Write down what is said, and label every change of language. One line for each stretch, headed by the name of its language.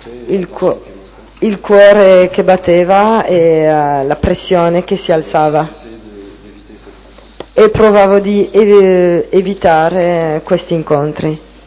Italian: Il cuore che batteva e la pressione che si alzava.
French: j'essayais d'éviter cette rencontre.
Italian: provavo di evitare questi incontri.